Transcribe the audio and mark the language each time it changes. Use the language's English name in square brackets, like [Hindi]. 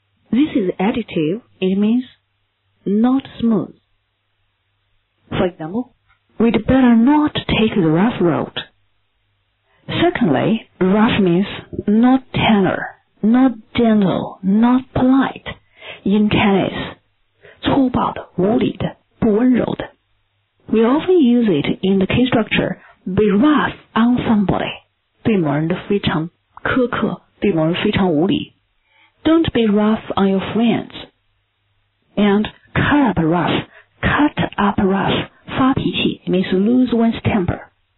[English] This is adjective. It means not smooth. For example, we'd better not take the rough road. Secondly, rough means not tender, not gentle, not polite. In tennis, [Chinese] 粗暴的、无理的、不温柔的。 [English] We often use it in the key structure, be rough on somebody. [Chinese] 对某人的非常苛刻，对某人非常无理。 [English] Don't be rough on your friends. And cut up rough, cut up rough, [Chinese] 发脾气 [English] means lose one's temper.